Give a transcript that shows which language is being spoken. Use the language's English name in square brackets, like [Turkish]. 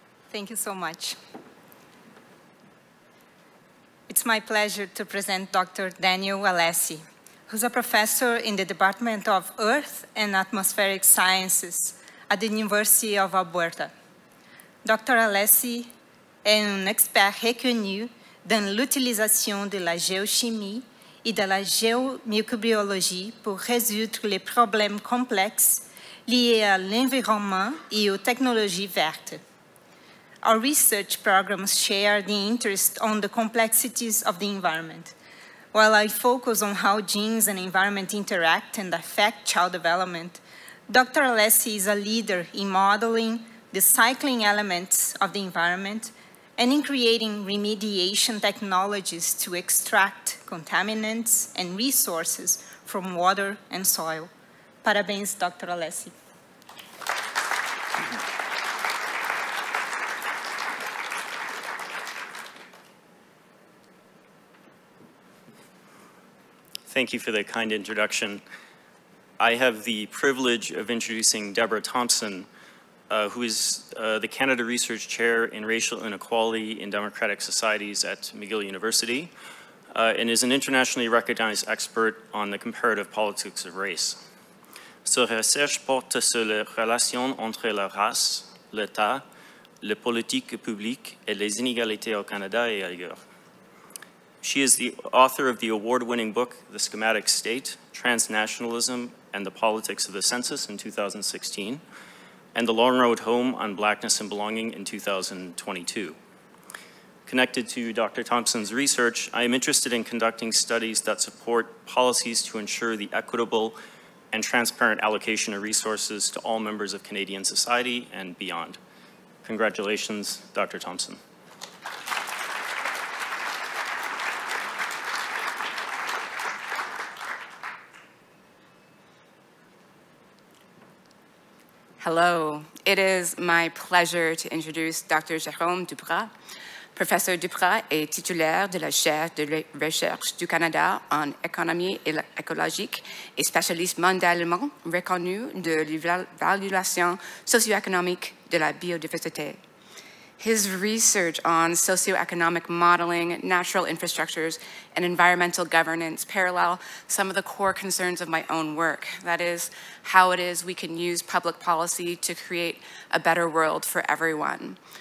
[English] Thank you so much. It's my pleasure to present Dr. Daniel Alessi, who's a professor in the Department of Earth and Atmospheric Sciences at the University of Alberta. [French] Dr. Alessi est un expert reconnu dans l'utilisation de la géochimie et de la géomicrobiologie pour résoudre les problèmes complexes liés à l'environnement et aux technologies vertes. [English] Our research programs share the interest on the complexities of the environment. While I focus on how genes and environment interact and affect child development, Dr. Alessi is a leader in modeling the cycling elements of the environment and in creating remediation technologies to extract contaminants and resources from water and soil. [Portuguese] Parabéns, Dr. Alessi. [English] Thank you for the kind introduction. I have the privilege of introducing Deborah Thompson, who is the Canada Research Chair in Racial Inequality in Democratic Societies at McGill University, and is an internationally recognized expert on the comparative politics of race. [French] Sa recherche porte sur les relations entre la race, l'État, les politiques publiques et les inégalités au Canada et ailleurs. [English] She is the author of the award-winning book, The Schematic State, Transnationalism and the Politics of the Census in 2016, and The Long Road Home on Blackness and Belonging in 2022. Connected to Dr. Thompson's research, I am interested in conducting studies that support policies to ensure the equitable and transparent allocation of resources to all members of Canadian society and beyond. Congratulations, Dr. Thompson. Hello. It is my pleasure to introduce Dr. Jérôme Duprat. [French] Professor Duprat est titulaire de la chaire de recherche du Canada en économie et écologique et spécialiste mondialement reconnu de l'évaluation socio-économique de la biodiversité. [English] His research on socioeconomic modeling, natural infrastructures, and environmental governance parallel some of the core concerns of my own work. That is, how it is we can use public policy to create a better world for everyone.